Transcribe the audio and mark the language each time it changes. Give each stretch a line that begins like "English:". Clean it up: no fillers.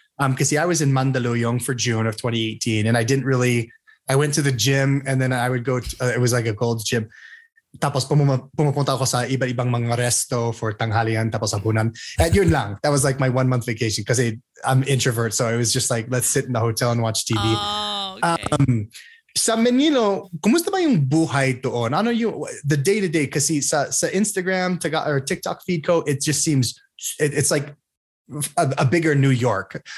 English: Because I was in Mandaluyong for June of 2018 and I went to the gym and then I would go, it was like a Gold's Gym.
Filipino: Tapos pumupunta ako sa iba't ibang mga resto for tanghalian, tapos hapunan. At yun lang,
English: that was like my 1 month vacation because I'm introvert. So it was just like, let's sit in the hotel and watch TV. Oh, okay.
Filipino: Sa Manila, kumusta ba yung buhay doon? Ano yung,
English: the day-to-day,
Filipino: kasi sa
English: Instagram, or TikTok feed ko, it just seems, it's like, a bigger New York.